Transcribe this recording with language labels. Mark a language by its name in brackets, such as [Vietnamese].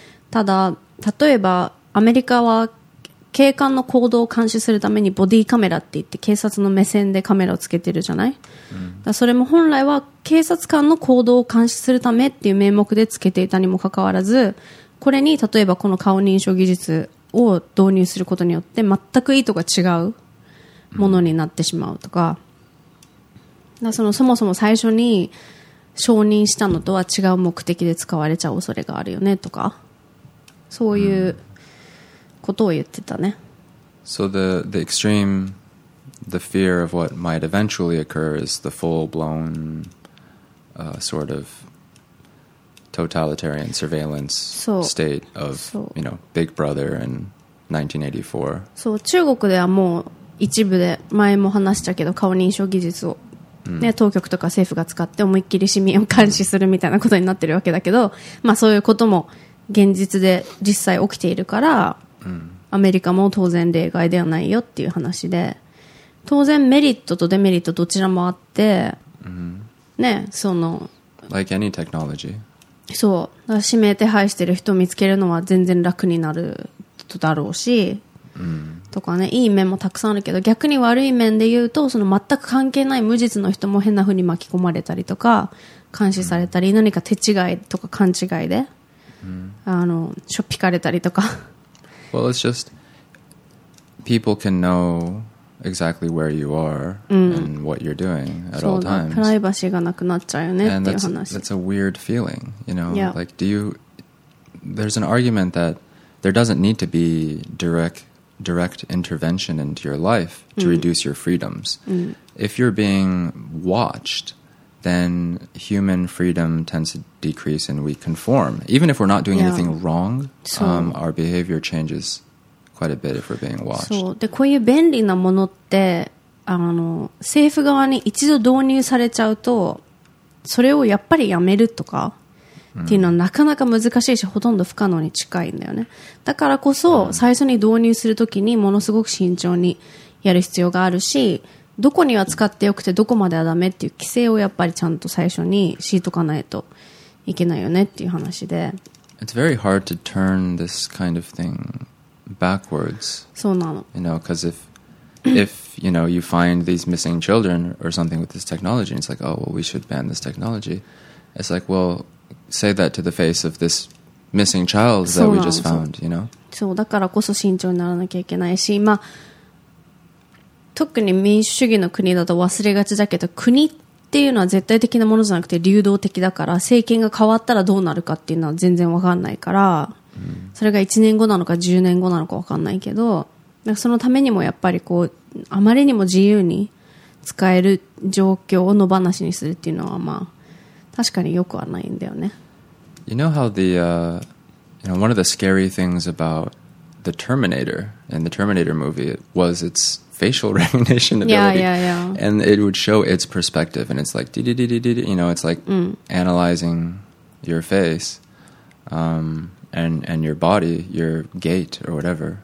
[Japanese] ただ例えばアメリカは警官の行動を監視するためにボディカメラって言って警察の目線でカメラをつけてるじゃない、だそれも本来は警察官の行動を監視するためっていう名目でつけていたにもかかわらず、これに例えばこの顔認証技術を導入することによって全く意図が違うものになってしまうとか、だそのそもそも最初に承認したのとは違う目的で使われちゃう恐れがあるよねとか、そういうことを言ってたね。 [English] So the extreme, the fear of what might eventually occur is the full-blown、sort of totalitarian surveillance state of, you know, Big Brother in 1984. [Japanese] そう、中国ではもう一部で、前も話したけど顔認証技術を、ね、当局とか政府が使って思いっきり市民を監視するみたいなことになってるわけだけど、まあ、そういうことも現実で実際起きているから、アメリカも当然例外ではないよっていう話で、当然メリットとデメリットどちらもあって、ね、その [English] like any technology. [Japanese] そう、指名手配してる人を見つけるのは全然楽になるとだろうし、とかね、いい面もたくさんあるけど、逆に悪い面で言うと、その全く関係ない無実の人も変な風に巻き込まれたりとか監視されたり、何か手違いとか勘違いで、しょっぴかれたりとか。 [English] Well, it's just people can know exactly where you are and what you're doing at all times. [Japanese] プライバシーがなくなっちゃうよねっていう話。 [English] And that's a weird feeling, you know? Yeah. Like, there's an argument that there doesn't need to be direct intervention into your life to reduce your freedoms. If you're being watched, then human freedom tends to decrease and we conform. Even if we're not doing anything wrong, our behavior changes quite a bit if we're being watched. [Japanese] そう。で、こういう便利なものって、政府側に一度導入されちゃうと、それをやっぱりやめるとかっていうのはなかなか難しいし、ほとんど不可能に近いんだよね。だからこそ、最初に導入するときにものすごく慎重にやる必要があるし、どこには使ってよくてどこまではダメっていう規制をやっぱりちゃんと最初に敷いとかないといけないよねっていう話で。 [English] It's very hard to turn this kind of thing backwards. [Japanese] そうなの。 [English] You know, because if you know you find these missing children or something with this technology, and it's like, oh well, we should ban this technology. It's like, well, say that to the face of this missing child that we just found. You know. [Japanese] そうだからこそ慎重にならなきゃいけないし、まあ特に民主主義の国だと忘れがちだけど、国っていうのは絶対的なものじゃなくて流動的だから、政権が変わったらどうなるかっていうのは全然わかんないから、それが1年後なのか10年後なのかわかんないけど、なんかそのためにもやっぱりこうあまりにも自由に使える状況を野放しにするっていうのはまあ確かによくはないんだよね。 [English] You know how the, you know, one of the scary things about the Terminator and the Terminator movie was itsfacial recognition ability. Yeah, yeah, yeah. And it would show its perspective, and it's like, you know, it's like analyzing your face and your body, your gait or whatever.